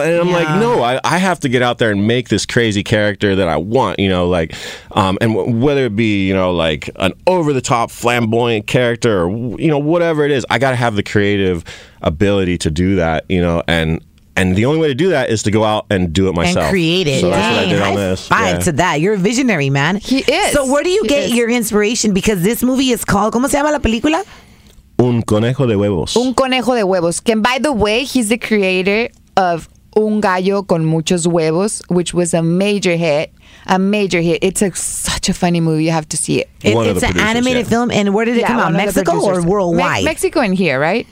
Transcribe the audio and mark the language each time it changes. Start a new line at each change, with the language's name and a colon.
English: And I'm like, no, I have to get out there and make this crazy character that I want, you know, like, and whether it be, you know, like an over the top flamboyant character or, you know, whatever it is, I got to have the creative ability to do that, you know, and And the only way to do that is to go out and do it myself. And create it. So that's what I did on this. Five to that. You're a visionary, man. He is. So where do you get your inspiration? Because this movie is called,
Spanish: ¿cómo se llama la película?
English: Unconejodehuevos. Unconejodehuevos. And by the way, he's the creator of Un Gallo con Muchos Huevos, which was a major hit. A major hit. It's such a funny movie. You have to see it. It's an animated film. And where did it come out? Mexico or worldwide? Mexico and here, right?